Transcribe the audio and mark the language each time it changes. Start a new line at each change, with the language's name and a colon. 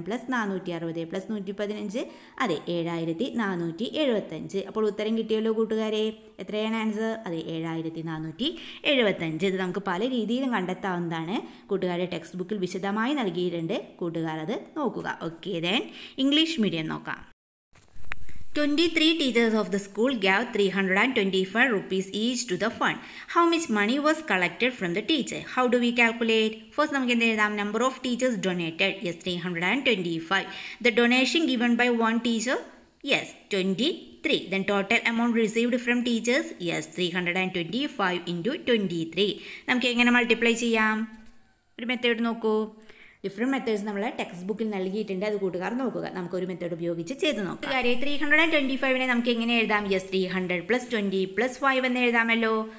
Malayalam: 6,900 + 460 + 115 അതെ, 7,475. അപ്പോൾ ഉത്തരം കിട്ടിയല്ലോ കൂട്ടുകാരെ. എത്രയാണ് ആൻസർ? അതെ, 7,475. ഇത് നമുക്ക് പല രീതിയിലും കണ്ടെത്താവുന്നതാണ്. കൂട്ടുകാരുടെ ടെക്സ്റ്റ് ബുക്കിൽ വിശദമായി നൽകിയിട്ടുണ്ട്. കൂട്ടുകാർ അത് നോക്കുക. ഓക്കെ,
English: Then English medium നോക്കാം. 23 teachers of the school gave 325 rupees each to the fund. How much money was collected from the teacher? How do we calculate? First,
Malayalam: നമുക്ക് എന്ത് എഴുതാം?
English: Number of teachers donated, yes, 325. The donation given by one teacher, yes, 23. Then total amount received from teachers, yes, 325 × 23.
Malayalam: നമുക്ക് എങ്ങനെ multiply ചെയ്യാം? ഒരു method നോക്കൂ. Different methods നമ്മൾ text ബുക്കിൽ നൽകിയിട്ടുണ്ട്. അത് കൂട്ടുകാർ നോക്കുക, നമുക്കൊരു മെത്തേഡ് ഉപയോഗിച്ച് ചെയ്ത് നോക്കാം. കാര്യം 325 നമുക്ക് എങ്ങനെ എഴുതാം? യെസ് 300 + 20 + 5 എന്ന് എഴുതാമല്ലോ.